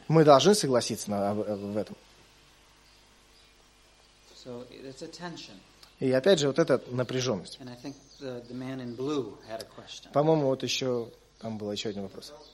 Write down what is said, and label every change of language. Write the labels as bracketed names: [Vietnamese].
[Russian] Мы должны согласиться в этом. [English] So it's a tension. [Russian] И опять же, вот эта напряженность. [English] And I think the man in blue had a question. [Russian] По-моему, вот еще там был еще один вопрос.